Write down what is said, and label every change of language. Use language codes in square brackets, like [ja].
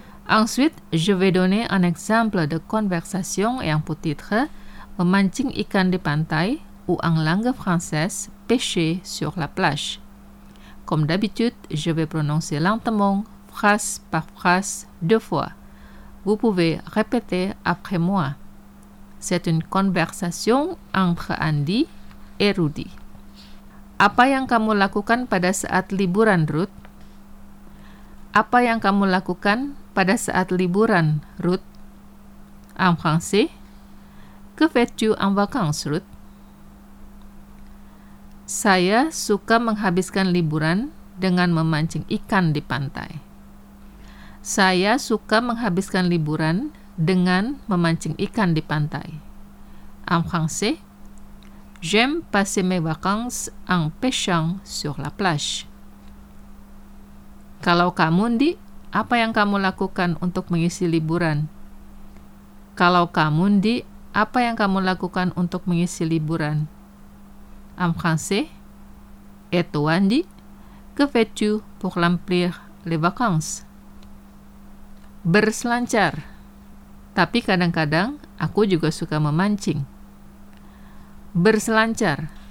[fr] Ensuite, je vais donner un exemple de conversation ayant pour titre « [id] Memancing ikan di pantai [fr] » ou en langue française « Pêcher sur la plage ». Comme d'habitude, je vais prononcer lentement, phrase par phrase, deux fois. Vous pouvez répéter après moi. C'est une conversation entre Andy et Rudy. [id] Apa yang kamu lakukan pada saat liburan, Ruth? Apa yang kamu lakukan pada saat liburan, Ruth? [fr] En français, que fais-tu en vacances, Ruth? [id] Saya suka menghabiskan liburan dengan memancing ikan di pantai. Saya suka menghabiskan liburan dengan memancing ikan di pantai. [fr] En français, j'aime passer mes vacances en pêchant sur la plage. [id] Kalau kamu, Ndi, apa yang kamu lakukan untuk mengisi liburan? Kalau kamu di, apa yang kamu lakukan untuk mengisi liburan? [fr] En français, et toi, Andy, que fais-tu pour remplir les vacances? [id] Berselancar. Tapi kadang-kadang aku juga suka memancing. Berselancar.